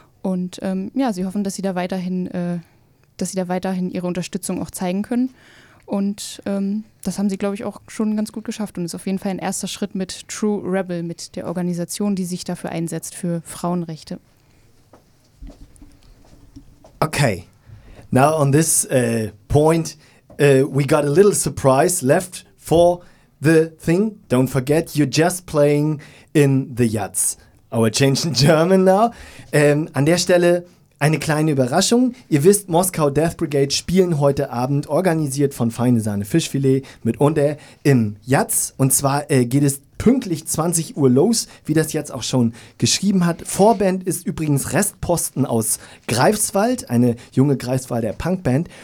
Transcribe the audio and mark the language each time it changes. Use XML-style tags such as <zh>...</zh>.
<de>Und ja, sie hoffen, dass sie da weiterhin, ihre Unterstützung auch zeigen können. Und das haben sie, glaube ich, auch schon ganz gut geschafft. Und ist auf jeden Fall ein erster Schritt mit True Rebel, mit der Organisation, die sich dafür einsetzt, für Frauenrechte. Okay.</de> <en>Now on this point, we got a little surprise left for the thing. Don't forget, you're just playing in the Yatz. Our change in German now.</en> <de>An der Stelle eine kleine Überraschung. Ihr wisst, Moskau Death Brigade spielen heute Abend, organisiert von Feine Sahne Fischfilet mitunter im Yatz. Und zwar geht es pünktlich 20 Uhr los, wie das jetzt auch schon geschrieben hat. Vorband ist übrigens Restposten aus Greifswald, eine junge Greifswalder Punkband.</de>